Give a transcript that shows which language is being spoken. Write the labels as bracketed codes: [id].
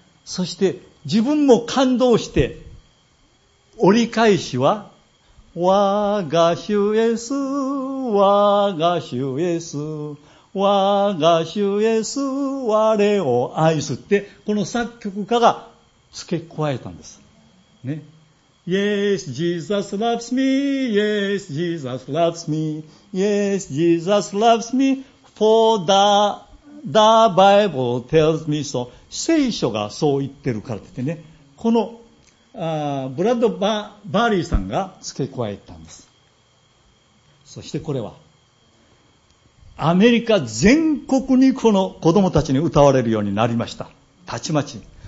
[ja] そして自分も感動して、折り返しは、我が主イエス、我が主イエス、我が主イエス、我を愛すって、この作曲家が付け加えたんです。ね。 [en] Yes, Jesus loves me, yes, Jesus loves me, yes, Jesus loves me for the Bible tells me so. [ja] 聖書がそう言ってるからって言ってね。この、ブラッド・バーリーさんが付け加えたんです。そしてこれは、アメリカ全国にこの子供たちに歌われるようになりました。たちまち。